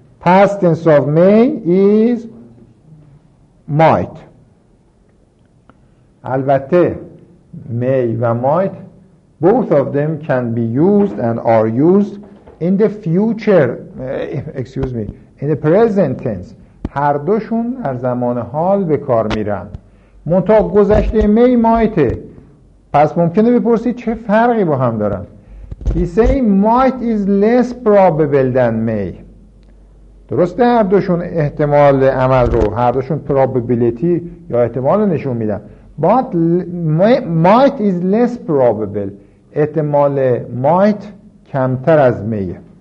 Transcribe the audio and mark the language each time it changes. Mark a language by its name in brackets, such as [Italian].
[English] Past tense of may is might. البته may و might, both of them can be used and are used in the future, excuse me, in the present tense. [Persian] هر دوشون در زمان حال به کار میرن. منتها گذشته may might. پس ممکنه بپرسید چه فرقی با هم دارن. [English] He say might is less probable than may. [Persian] درسته هر دوشون احتمال عمل رو, هر دوشون probability یا احتمال رو نشون میدن, [English] but might is less probable. [Persian] احتمال might کمتر از may.